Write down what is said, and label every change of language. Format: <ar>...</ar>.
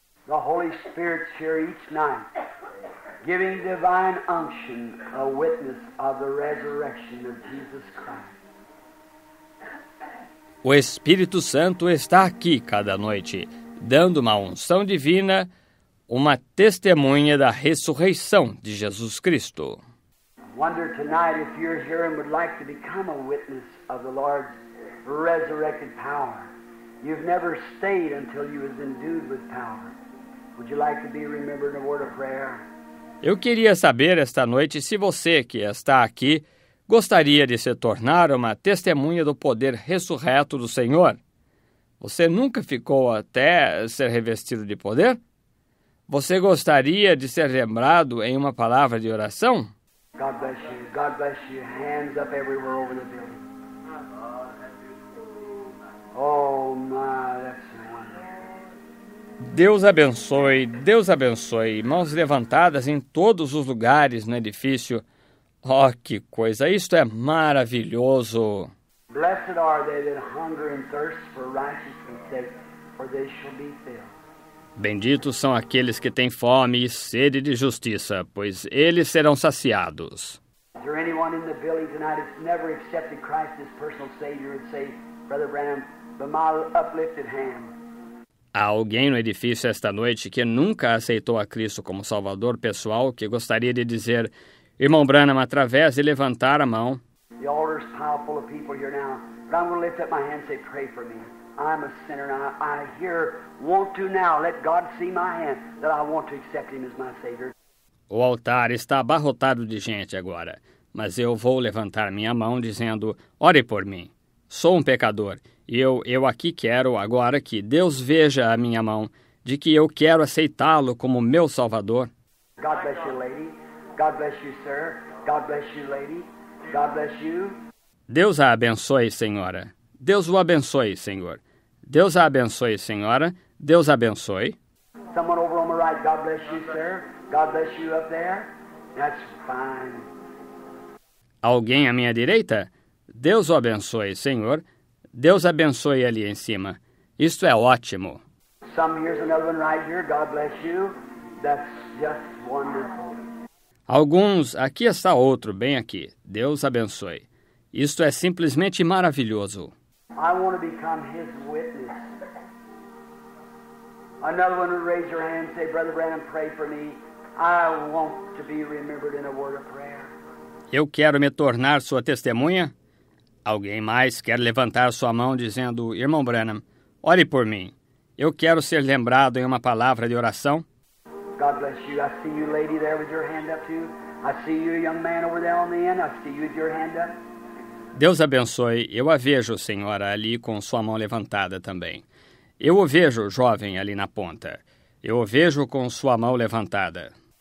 <en>The Holy Spirit's here each night, giving divine unction, a witness of the resurrection of Jesus Christ.</en> <pt>O Espírito Santo está aqui cada noite, dando uma unção divina, uma testemunha da ressurreição de Jesus Cristo.</pt> <en>Wonder tonight if you're here and would like to become a witness of the Lord's resurrected power. You've never stayed until you was endued with power. Would you like to be remembered in a word of prayer?</en> <pt>Eu queria saber esta noite se você que está aqui gostaria de se tornar uma testemunha do poder ressurreto do Senhor. Você nunca ficou até ser revestido de poder? Você gostaria de ser lembrado em uma palavra de oração?</pt> <en>God bless you. God bless you. Hands up everywhere over the building. Oh, my, that's wonderful.</en> <pt>Deus abençoe, Deus abençoe. Mãos levantadas em todos os lugares no edifício. Oh, que coisa! Isto é maravilhoso!</pt> <en>Blessed are they that hunger and thirst for righteousness, for they shall be filled.</en> <pt>Benditos são aqueles que têm fome e sede de justiça, pois eles serão saciados.</pt> <en>Is there anyone in the building tonight that's never accepted Christ as personal Savior and say, Brother Branham, by my uplifted hand?</en> <pt>Há alguém no edifício esta noite que nunca aceitou a Cristo como Salvador pessoal que gostaria de dizer, Irmão Branham, através de levantar a mão.</pt> <en>The altar is powerful of people here now, but I'm going to lift up my hand and say, pray for me. I'm a sinner and I here want to now let God see my hand that I want to accept him as my Savior.</en> <pt>O altar está abarrotado de gente agora, mas eu vou levantar minha mão dizendo, ore por mim. Sou um pecador e eu aqui quero agora que Deus veja a minha mão de que eu quero aceitá-lo como meu Salvador.</pt> <en>God bless you, lady. God bless you, sir. God bless you, lady. God bless you.</en> <pt>Deus a abençoe, senhora. Deus o abençoe, Senhor. Deus a abençoe, Senhora. Deus abençoe.</pt> <en>Someone over on the right, God bless you, sir. God bless you up there. That's fine.</en> <pt>Alguém à minha direita? Deus o abençoe, Senhor. Deus abençoe ali em cima. Isto é ótimo.</pt> <en>Some, here's another one right here. God bless you. That's just wonderful.</en> <pt>Alguns, aqui está outro, bem aqui. Deus abençoe. Isto é simplesmente maravilhoso.</pt> <en>I want to become his witness. Another one would raise your hand and say, Brother Branham, pray for me. I want to be remembered in a word of prayer.</en> <pt>Eu quero me tornar sua testemunha. Alguém mais quer levantar sua mão dizendo, Irmão Branham, ore por mim. Eu quero ser lembrado em uma palavra de oração.</pt> <en>God bless you. I see you, lady, there with your hand up too. I see you, young man, over there on the end. I see you with your hand up.</en> <pt>Deus abençoe. Eu a vejo, senhora, ali com sua mão levantada também. Eu o vejo, jovem, ali na ponta. Eu o vejo com sua mão levantada.</pt>